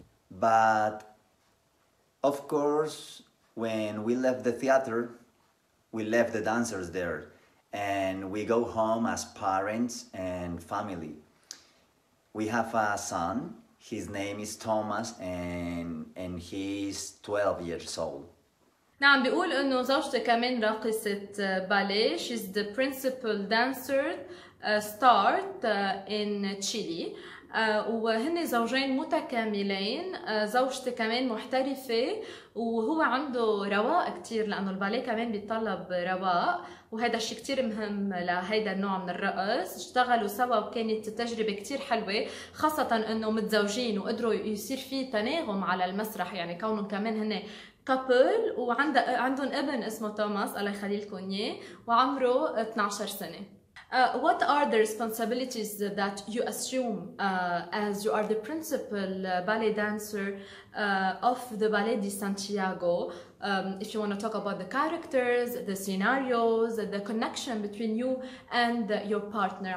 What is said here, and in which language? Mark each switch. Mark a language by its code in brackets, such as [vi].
[en] But of course, when we left the theater, we left the dancers there, and we go home as parents and family. We have a son, his name is Thomas, and he's 12 years old. [ar] نعم، بيقول انه زوجته كمان راقصة باليه. [en] She's the principal dancer start in Chile. [ar] وهن زوجين متكاملين، زوجتي كمان محترفة وهو عنده رواق كتير لأنه الباليه كمان بيطلب رواق، وهذا الشيء كتير مهم لهيدا النوع من الرقص. اشتغلوا سوا وكانت تجربة كتير حلوة، خاصة أنه متزوجين وقدروا يصير في تناغم على المسرح، يعني كونهم كمان هن كابل وعندهم ابن اسمه توماس الله يخلي لكم اياه وعمره 12 سنة. [en] What are the responsibilities that you assume as you are the principal ballet dancer of the Ballet de Santiago? If you want to talk about the characters, the scenarios, the connection between you and your partner.